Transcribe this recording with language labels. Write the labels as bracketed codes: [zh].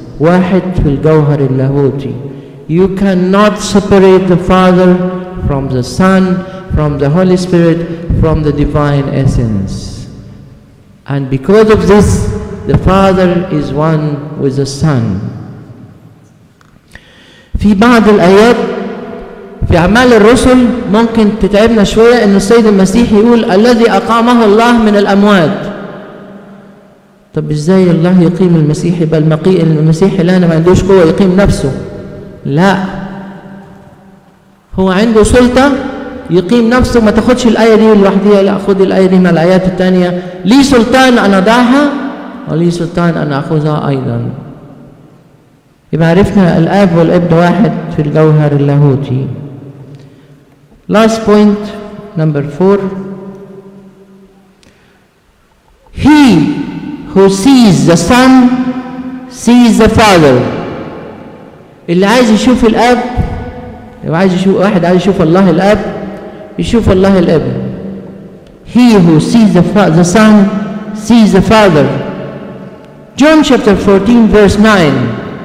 [ar] Wahid fil gawhar illahuti. [en] You cannot separate the Father from the Son, from the Holy Spirit, from the divine essence. And because of this, the Father is one with the Son. [ar] في بعض الآيات في أعمال الرسل ممكن تتعبنا شوية إن السيد المسيح يقول الذي أقامه الله من الأموات. طب إزاي الله يقيم المسيح بل مقي المسيح الآن ما عندوش قوة يقيم نفسه؟ لا، هو عنده سلطة يقيم نفسه. ما تاخدش الآية دي لوحديها، لا، خد الآية دي مع الآيات التانية. لي سلطان أن أضعها ولي سلطان أن أخذها أيضا. يبقى عرفنا الآب والابن واحد في الجوهر اللاهوتي. [en] Last point, number four. He who sees the Son sees the Father. [ar] اللي عايز يشوف الأب وعايز يشوف واحد عايز يشوف الله الأب يشوف الله الابن. [en] He who sees the Son sees the Father. John chapter 14 verse 9.